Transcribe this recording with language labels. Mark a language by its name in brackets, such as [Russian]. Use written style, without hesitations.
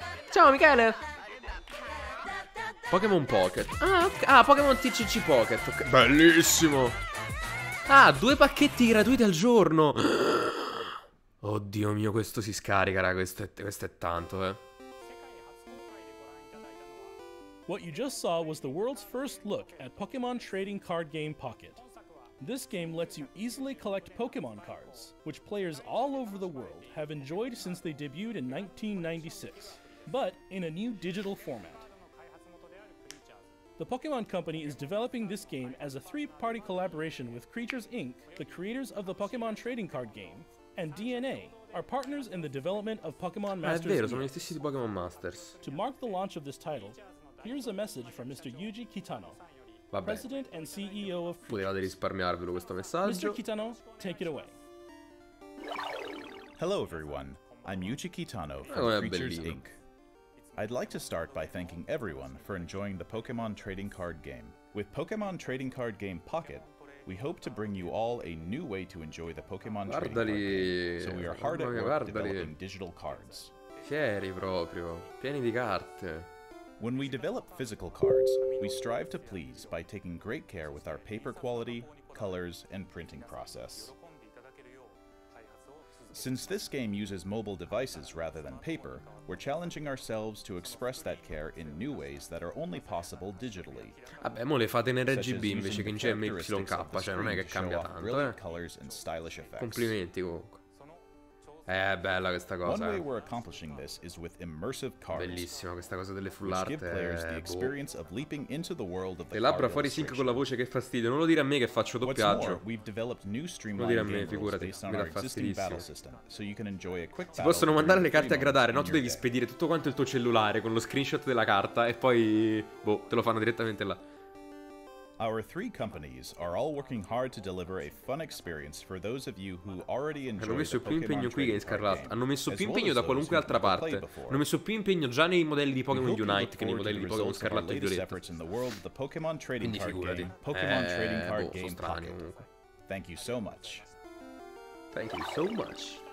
[Italian] Ciao Michele! Pokémon Pocket. Ah, Pokémon TCG Pocket. Okay. Bellissimo! Ah, due pacchetti gratuiti al giorno! Oddio mio, questo si scarica, raga, questo è tanto, eh. [English] What you just saw was the world's first look at Pokémon Trading Card Game Pocket. This game lets you easily collect Pokémon cards, which players all over the world have enjoyed since they debuted in 1996, but in a new digital format. The Pokémon Company is developing this game as a three-party collaboration with Creatures Inc., the creators of the Pokémon Trading Card Game, and DNA, are partners in the development of Pokémon Masters. [Italian] È vero, sono gli stessi di Pokémon Masters. [English] To mark the launch of this title, here's a message from Mr. Yuji Kitano, [Italian] vabbè, [English] President and CEO of Creatures. [Italian] Potevate risparmiarvelo questo messaggio. [English] Mr. Kitano, take it away. Hello everyone, I'm Yuji Kitano from Creatures Inc. I'd like to start by thanking everyone for enjoying the Pokémon Trading Card Game. With Pokémon Trading Card Game Pocket, we hope to bring you all a new way to enjoy the Pokémon Trading Card Game. So we are hard at work developing digital cards. [Italian] Fieri proprio, pieni di carte. [English] When we develop physical cards, we strive to please by taking great care with our paper quality, colors, and printing process. Since this game uses mobile devices rather than paper, we're challenging ourselves to express that care in new ways that are only possible digitally. [Italian] Vabbè, mo le fate in RGB invece che in CMYK, cioè non è che cambia tanto, eh. Complimenti comunque. Bella questa cosa. [English] One way we're accomplishing this is with immersive cards. [Italian] Bellissima questa cosa delle full art. [English] Give players the experience of leaping into the world of the. [Italian] E labbra fuori sync con la voce, che fastidio. Non lo dire a me che faccio doppiaggio. [English] What's more, we've developed new streamlined game rules based on our existing battle system, so you can enjoy a quick. [Italian] Si possono mandare le carte a gradare, no? Tu devi spedire tutto quanto il tuo cellulare con lo screenshot della carta e poi boh, te lo fanno direttamente là. [English] Our three companies are all working hard to deliver a fun experience for those of you who already enjoy. [Italian] Hanno messo più impegno qui che in Scarlet. Hanno messo più impegno da qualunque altra parte. Hanno messo più impegno già nei modelli di Pokémon Unite che nei modelli di Pokémon Scarlet e Violetto. [English] Pokémon Trading Card Game. Pokémon Trading Card Game Pocket. Thank you so much. Thank you so much.